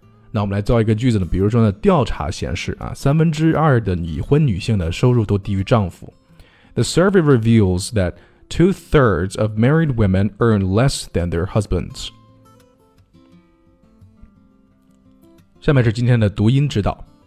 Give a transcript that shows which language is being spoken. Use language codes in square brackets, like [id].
[zh] 那我们来造一个句子呢，比如说呢，调查显示啊，三分之二的已婚女性的收入都低于丈夫。 [en] The survey reveals that two-thirds of married women earn less than their husbands. [zh] 下面是今天的读音指导。